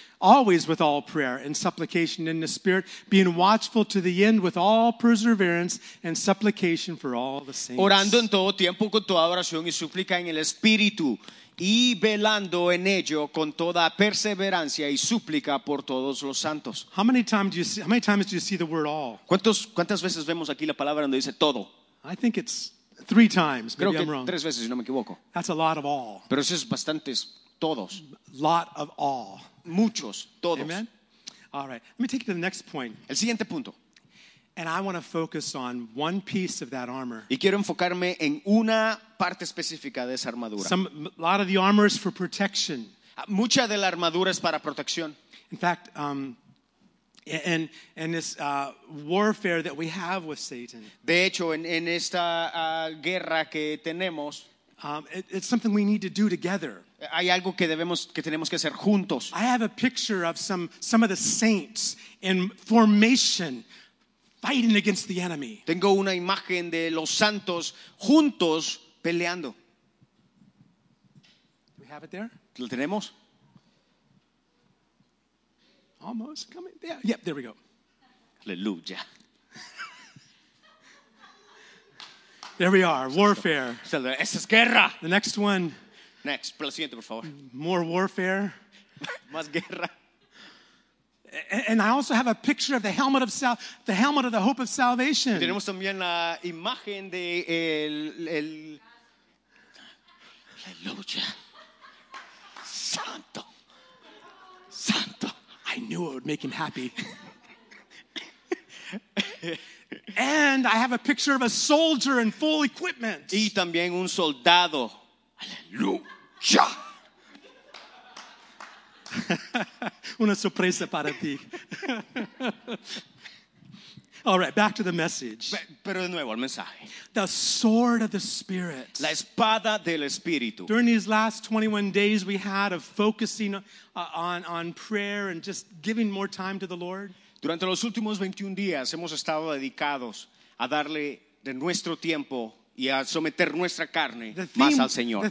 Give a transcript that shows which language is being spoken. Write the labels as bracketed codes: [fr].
[en] Always with all prayer and supplication in the spirit, being watchful to the end with all perseverance and supplication for all the saints. [es] Orando en todo tiempo con toda oración y súplica en el espíritu, y velando en ello con toda perseverancia y súplica por todos los santos. [en] How many times do you see the word all? [es] ¿Cuántas veces vemos aquí la palabra donde dice todo? [en] I think it's three times. Maybe [es] creo que [en] I'm wrong. [es] Tres veces, si no me equivoco. [en] That's a lot of all. [es] Pero eso es bastantes todos. [en] Lot of all. [es] Muchos, todos. [en] Amen. All right. Let me take you to the next point. [es] El siguiente punto. [en] And I want to focus on one piece of that armor. [es] Y quiero enfocarme en una parte específica de esa armadura. [en] A lot of the armor is for protection. [es] Mucha de la armadura es para protección. [en] In fact, in this warfare that we have with Satan. [es] De hecho, en esta guerra que tenemos. [en] It's something we need to do together. [es] Hay algo que tenemos que hacer juntos. [en] I have a picture of some of the saints in formation fighting against the enemy. [es] Tengo una imagen de los santos juntos peleando. [en] Do we have it there? [es] ¿Lo tenemos? [en] Almost coming. Yep, there we go. [es] Aleluya. [en] There we are, warfare. [es] Esa es guerra. [en] The next one. Next, [es] por la siguiente, por favor. [en] More warfare. [es] Más guerra. [en] And I also have a picture of the helmet of the hope of salvation. [es] Y tenemos también la imagen de el aleluya. Santo. Santo. [en] I knew it would make him happy. And I have a picture of a soldier in full equipment. [es] Y también un soldado. Aleluya. Una sorpresa para ti. [en] All right, back to the message. [es] Pero de nuevo, el mensaje. [en] The sword of the Spirit. [es] La espada del Espíritu. [en] During these last 21 days we had of focusing on prayer and just giving more time to the Lord. [es] Durante los últimos 21 días hemos estado dedicados a darle de nuestro tiempo y a someter nuestra carne más al Señor.